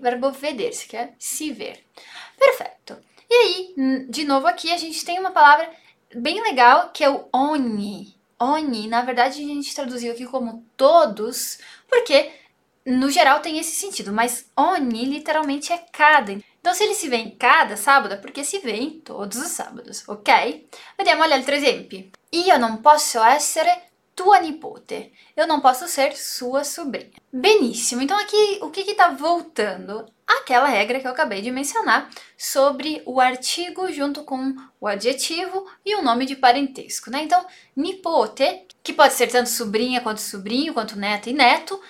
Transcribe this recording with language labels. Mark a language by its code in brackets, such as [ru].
[pt] Verbo vedersi, que é se ver. Perfeito. E aí, de novo aqui, a gente tem uma palavra bem legal, que é o ogni. Ogni, na verdade, a gente traduziu aqui como todos, porque no geral tem esse sentido, mas ogni literalmente é cada. Então, se ele se vê em cada sábado, é porque se vê em todos os sábados, ok? [it] Vediamo gli altri esempi. Io non posso essere tua nipote. [pt] Eu não posso ser sua sobrinha. Beníssimo. Então aqui o que que tá voltando? Aquela regra que eu acabei de mencionar sobre o artigo junto com o adjetivo e o nome de parentesco, né? Então, nipote, que pode ser tanto sobrinha quanto sobrinho, quanto neta e neto.